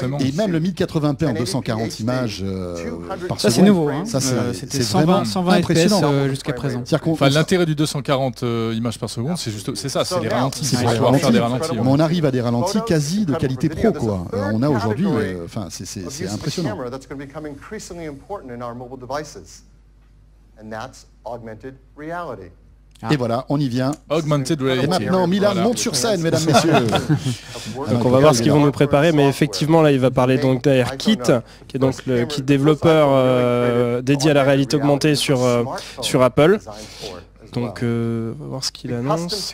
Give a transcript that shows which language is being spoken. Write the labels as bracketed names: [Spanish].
[French] Et même le 1080p en 240 images par seconde. Ça c'est nouveau. Hein. Ça, c'est 120 impressionnant jusqu'à présent. Enfin, l'intérêt du 240 images par seconde, c'est les ralentis. Mais on arrive à des ralentis quasi de qualité pro. Quoi. On a aujourd'hui... C'est impressionnant. [English] That's going to become increasingly important in our mobile devices. And that's augmented reality. [French] Et voilà, on y vient. [English] Augmented reality. [French] Et maintenant, Milan monte sur scène, mesdames, messieurs. Donc on va voir ce qu'ils vont nous préparer, mais effectivement, là, il va parler donc d'AirKit, qui est donc le kit développeur dédié à la réalité augmentée sur Apple. Donc, on va voir ce qu'il annonce.